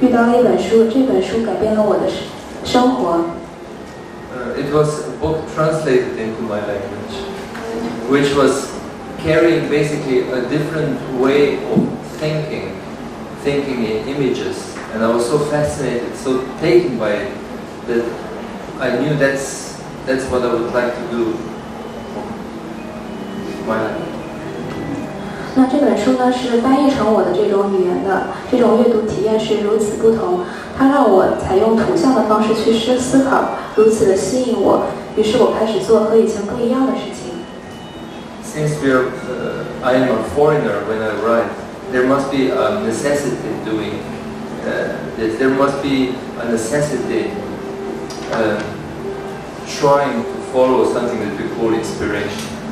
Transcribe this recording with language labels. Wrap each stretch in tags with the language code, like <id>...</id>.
<zh>那大概我15岁的时候呢，不知是偶然还是因为我的某种信念，我遇到了一本书，这本书改变了我的生活。</zh> <en>It was a book translated into my language, which was carrying basically a different way of thinking in images, and I was so fascinated, so taken by it, that I knew that's what I would like to do. My life.</en> <zh>那这本书呢，是翻译成我的这种语言的这种阅读体验是如此不同，它让我采用图像的方式去思考，如此的吸引我，于是我开始做和以前不一样的事情。</zh> <en>Since we are, I am a foreigner when I write, there must be a necessity doing this. There must be a necessity trying to follow something that we call inspiration.</en>